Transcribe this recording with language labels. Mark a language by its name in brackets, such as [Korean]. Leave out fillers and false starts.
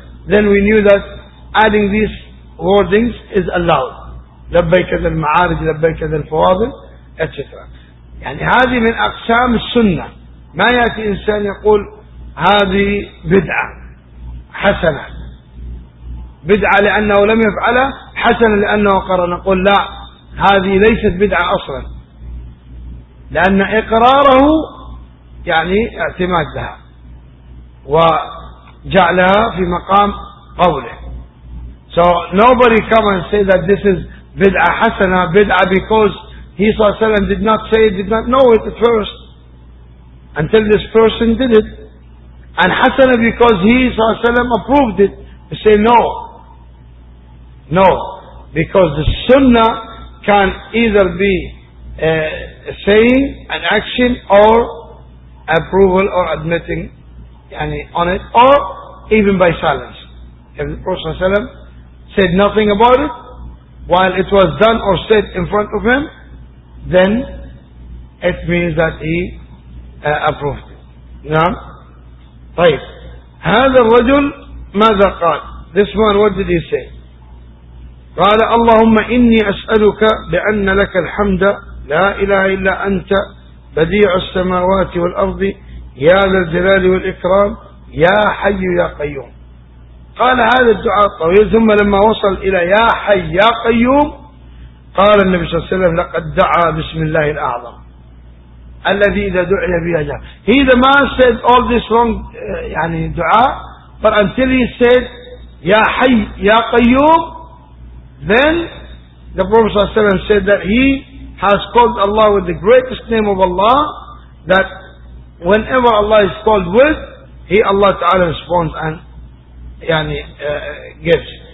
[English] Then we knew that adding these wordings is allowed. [Arabic] لبيك ذا المعارج لبيك ذا الفواضل etc. يعني هذه من أقسام السنة. ما يأتي إنسان يقول هذه بدعة حسنة, بدعة لأنه لم يفعلها, حسنة لأنه أقر. نقول لا, هذه ليست بدعة أصلا, لأن إقراره يعني اعتمادها وجعلها في مقام قوله. [English] So nobody come and say that this is bid'a hasana, bid'a because he صلى الله عليه وسلم did not say it, did not know it at first, until this person did it. And hasana because he صلى الله عليه وسلم approved it. You say no. No. Because the sunnah can either be a saying, an action, or approval or admitting any on it, or even by silence. If the Prophet صلى الله عليه وسلم said nothing about it while it was done or said in front of him, then it means that he approved it. [Arabic] نعم. طيب هذا الرجل ماذا قال؟ [English] This man, what did he say? [Arabic] قال اللهم إني أسألك بأن لك الحمد لا إله إلا أنت بديع السماوات والأرض يا ذا الجلال والإكرام يا حي يا قيوم. قال هذا الدعاء الطويل, ثم لما وصل إلى يا حي يا قيوم قال النبي صلى الله عليه وسلم لقد دعا بسم الله الأعظم الذي إذا دعي به جاء. [English] He the man said all this wrong يعني دعاء, but until he said [Arabic] يا حي يا قيوم, [English] then the Prophet صلى الله عليه وسلم said that he has called Allah with the greatest name of Allah, that whenever Allah is called with, he Allah Ta'ala responds and يعني gives.